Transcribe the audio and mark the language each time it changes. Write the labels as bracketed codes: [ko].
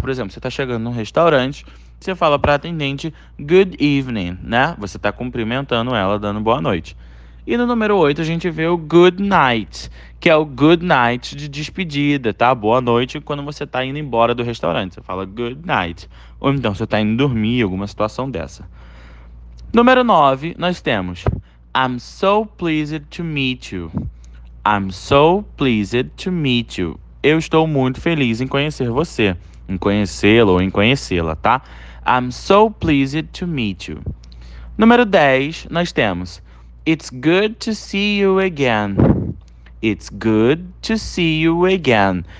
[pt] Por exemplo, você está chegando num restaurante, você fala para a atendente [en] good evening, [pt] né? Você está cumprimentando ela, dando boa noite. E no número 8, a gente vê o [en] good night, [pt] que é o good night de despedida, tá? Boa noite quando você está indo embora do restaurante. Você fala [en] good night. [pt] Ou então você está indo dormir, alguma situação dessa. Número 9, nós temos [en] I'm so pleased to meet you. I'm so pleased to meet you. [pt] Eu estou muito feliz em conhecer você, em conhecê-lo ou em conhecê-la, tá? [en] I'm so pleased to meet you. [pt] Número 10, nós temos [en] It's good to see you again. It's good to see you again.